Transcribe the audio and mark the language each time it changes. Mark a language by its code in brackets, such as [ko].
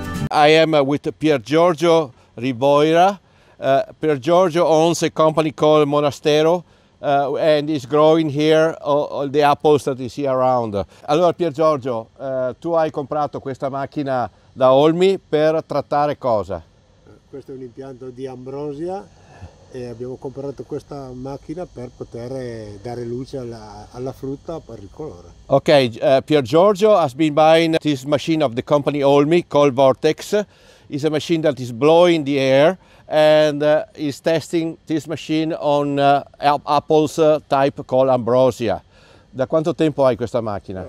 [en] I am with Pier Giorgio Rivoira. Pier Giorgio owns a company called Monastero, and is growing here all the apples that you see around. [it] Allora, Pier Giorgio, tu hai comprato questa macchina da OLMI per trattare cosa? Questo è un impianto di ambrosia e abbiamo comprato questa macchina per poter dare luce alla frutta per il colore. [en] Ok, Pier Giorgio has been buying this machine of the company OLMI called VORTEX. It's a machine that is blowing the air, and is testing this machine on apples type called Ambrosia. [it] Da quanto tempo hai questa macchina?